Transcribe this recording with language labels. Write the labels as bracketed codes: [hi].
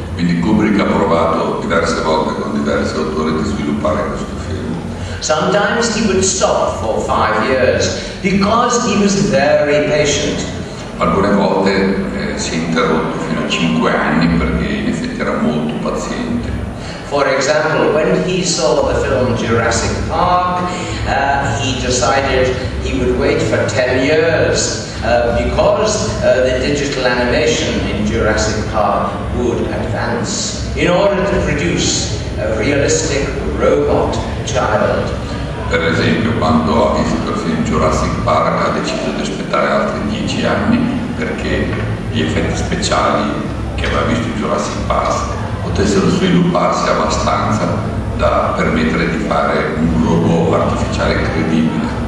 [it] Quindi Kubrick ha provato diverse volte con diversi autori di sviluppare questo film. [en] Sometimes he would stop for 5 years because he was very patient. [it] Alcune volte si è interrotto fino a 5 anni perché in effetti era molto paziente. [en] For example, when he saw the film Jurassic Park, he decided he would wait for 10 years because the digital animation in Jurassic Park would advance in order to produce a realistic robot child. [it] Per esempio, quando ha visto il film Jurassic Park, ha deciso di aspettare altri 10 anni perché gli effetti speciali che aveva visto in Jurassic Park potessero svilupparsi abbastanza da permettere di fare un robot artificiale credibile.